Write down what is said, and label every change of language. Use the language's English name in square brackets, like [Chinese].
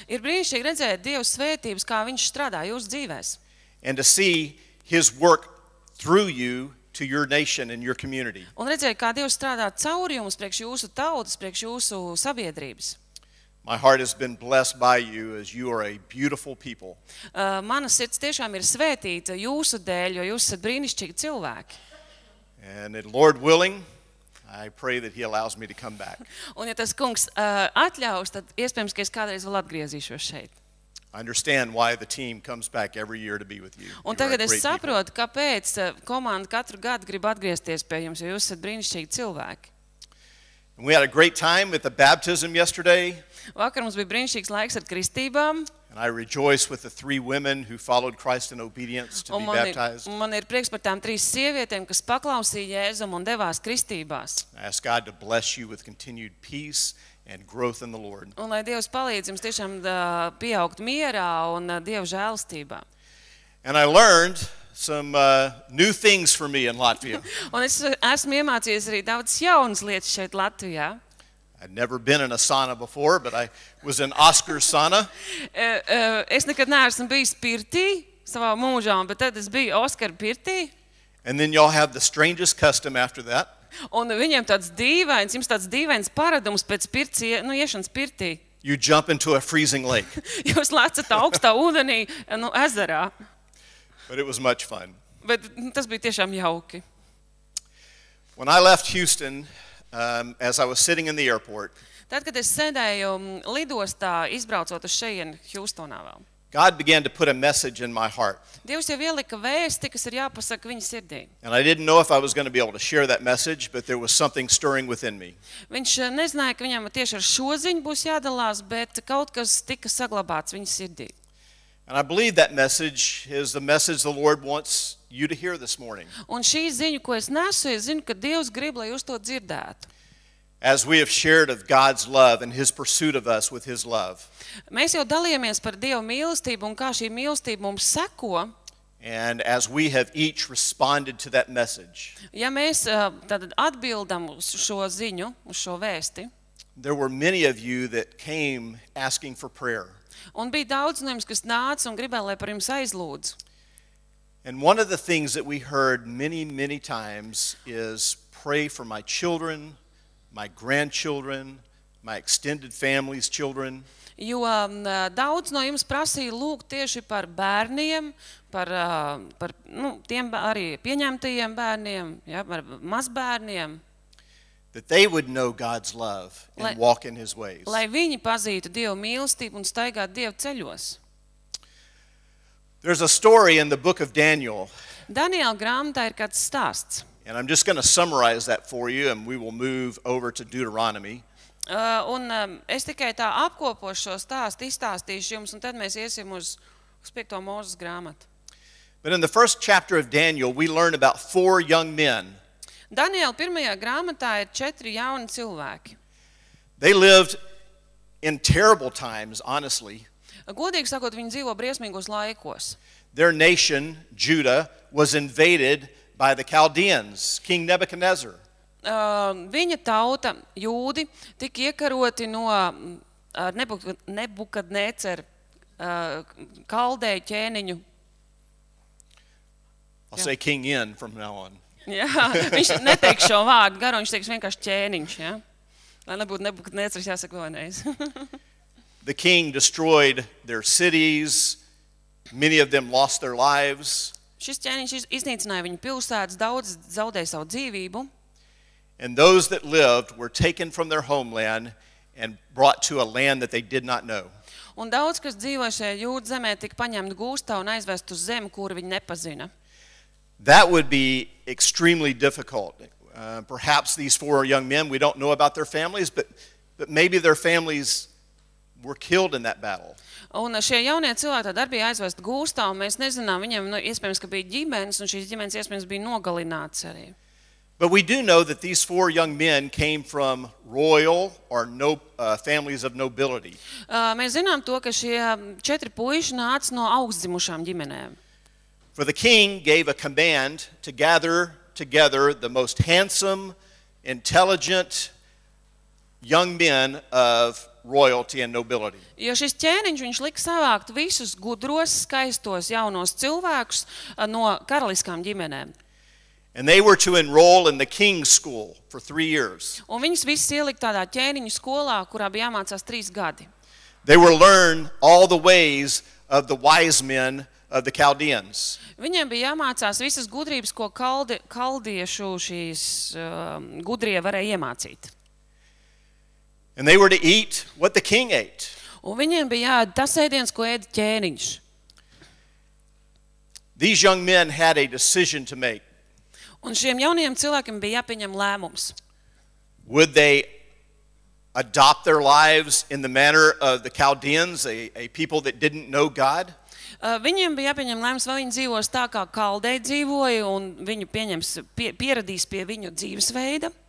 [Latvian] Ir brīnišķīgi redzēt Dieva svētības, kā viņš strādā jūsu dzīvēs. [English] And to see his work through you to your nation and your community. [Latvian] Un redzēt, kā Dievs strādā caur jums, priekš jūsu tautas, priekš jūsu sabiedrības. [English] My heart has been blessed by you as you are a beautiful people. [Latvian] Mana sirds tiešām ir svētīta jūsu dēļ, jo jūs esat brīnišķīgi cilvēki. [English] And it, Lord willing, I pray that he allows me to come back. [Latvian] Un ja tas kungs atļaus, tad iespējams, ka es kādreiz vēl atgriezīšos šeit. [English] I understand why the team comes back every year to be with you. [Latvian] Un tagad es saprotu, kāpēc komanda katru gadu grib atgriezties pie jums, jo jūs esat brīnišķīgi cilvēki. [English] We had a great time with the baptism yesterday. [Latvian] Vakar mums bija brīnišķīgs laiks ar kristībām. [English] And I rejoice with the three women who followed Christ in obedience to be baptized. [Latvian] Man ir prieks par tām trīs sievietēm, kas paklausīja Jēzum un devās kristībās. [English] I ask God to bless you with continued peace and growth in the Lord. [Latvian] Un lai Dievs palīdz jums tiešām pieaugt mierā un Dieva žēlstībā. [English] And I learned some new things for me in Latvia. [Latvian] Un es esmu iemācījies arī daudz jaunas lietas šeit Latvijā. [English] I'd never been in a sauna before, but I was in Oscar's sauna. [Latvian] Es nekad neesmu bijis pirtī savā mūžā, bet tad es biju Oscar pirtī. [English] And then y'all have the strangest custom after that. [Latvian] Un viņiem tāds dīvains, jums tāds dīvains paradums pēc pirtī, nu iešanas pirtī. [English] You jump into a freezing lake. [Latvian] Jūs lecat augstā ūdenī, nu ezerā. [English] But it was much fun. [Latvian] Bet tas bija tiešām jauki. [English] When I left Houston, as I was sitting in the airport. [Latvian] Tad, kad es sēdēju lidostā, izbraucot uz šejienu Hjustonā vēl. [English] God began to put a message in my heart. [Latvian] Dievs jau ielika vēsti, kas ir jāpasaka viņa sirdī. [English] And I didn't know if I was going to be able to share that message, but there was something stirring within me. [Latvian] Viņš nezināja, ka viņam tieši ar šo ziņu būs jādalās, bet kaut kas tika saglabāts viņa sirdī. [English] And I believe that message is the message the Lord wants you to hear this morning. [Latvian] Un šī ziņa, ko es nesu, es zinu, ka Dievs grib, lai jūs to dzirdētu. [English] As we have shared of God's love and his pursuit of us with his love. [Latvian] Mēs jau dalījāmies par Dieva mīlestību un kā šī mīlestība mums seko. [English] And as we have each responded to that message. [Latvian] Ja mēs tad atbildam uz šo ziņu, uz šo vēsti. [English] There were many of you that came asking for prayer. [Latvian] Un bija daudz no jums, kas nāca un gribēja, lai par jums aizlūdz. [English] And one of the things that we heard many, many times is pray for my children, my grandchildren, my extended family's children. [Latvian] Jo daudz no jums prasīja lūgt tieši par bērniem, par nu, tiem arī pieņemtajiem bērniem, ja, par mazbērniem. [English] That they would know God's love and walk in his ways. [Latvian] Lai viņi pazītu Dieva mīlestību un staigātu Dieva ceļos. [English] There's a story in the book of Daniel. [Latvian] Daniela grāmatā ir kāds stāsts. [English] And I'm just going to summarize that for you and we will move over to Deuteronomy. [Latvian] Es tikai tā apkopošu šo stāstu, izstāstīšu jums un tad mēs iesim uz 5. Mozes grāmatu. [English] But in the first chapter of Daniel, we learn about four young men. [Latvian] Daniela pirmajā grāmatā ir četri jauni cilvēki. [English] They lived in terrible times, honestly. [Latvian] Godīgi sakot, viņi dzīvo briesmīgos laikos. [English] Their nation, Judah, was invaded by the Chaldeans, King Nebuchadnezzar. [Latvian] Viņa tauta, jūdi, tika iekaroti no Nebukadnecer, kaldēju ķēniņu. [English] I'll say King In from now on. [Latvian] Jā, viņš neteiks šo vārdu garu, viņš teiks vienkārši ķēniņš, jā. Lai nebūtu Nebukadnecers, jāsaka vēl neiz. [English] The king destroyed their cities. Many of them lost their lives. [Latvian] Šis ķēniņš iznīcināja viņu pilsētas, daudz zaudēja savu dzīvību. [English] And those that lived were taken from their homeland and brought to a land that they did not know. [Latvian] Un daudz, kas dzīvoja šajā jūdu zemē, tika paņemti gūstā un aizvest uz zemi, kuru viņi nepazina. [English] That would be extremely difficult. Perhaps these four young men, we don't know about their families, but maybe their families were killed in that battle. [Latvian] Un šie jaunie cilvēki tad bija aizvest gūstā, un mēs nezinām, viņiem nu, iespējams, ka bija ģimenes, un šīs ģimenes iespējams bija nogalināts arī. [English] But we do know that these four young men came from royal or families of nobility. [Latvian] Mēs zinām to, ka šie četri puiši nāca no augstdzimušām ģimenēm. [English] For the king gave a command to gather together the most handsome, intelligent young men of royalty and nobility. [Latvian] Jo šis ķēniņš, viņš lika savākt visus gudros, skaistos, jaunos cilvēkus no karaliskām ģimenēm. [English] And they were to enroll in the king's school for 3 years. [Latvian] Un viņus visus ielikt tādā ķēniņa skolā, kurā bija jāmācās 3 gadi. [English] They were learn all the ways of the wise men of the Chaldeans. [Latvian] Viņiem bija jāmācās visas gudrības, ko kaldiešu šīs gudrie varēja iemācīt. [English] And they were to eat what the king ate. [Latvian] Un viņiem bija jāēd tas ēdiens, ko ēda ķēniņš. [English] These young men had a decision to make. [Latvian] Un šiem jaunajiem cilvēkiem bija jāpieņem lēmums. [English] Would they adopt their lives in the manner of the Chaldeans, a people that didn't know God? [Latvian] Viņiem bija jāpieņem lēmums, vai viņi dzīvos tā, kā kaldei dzīvoja, un viņu pieņems, pieradīs pie viņu dzīvesveida.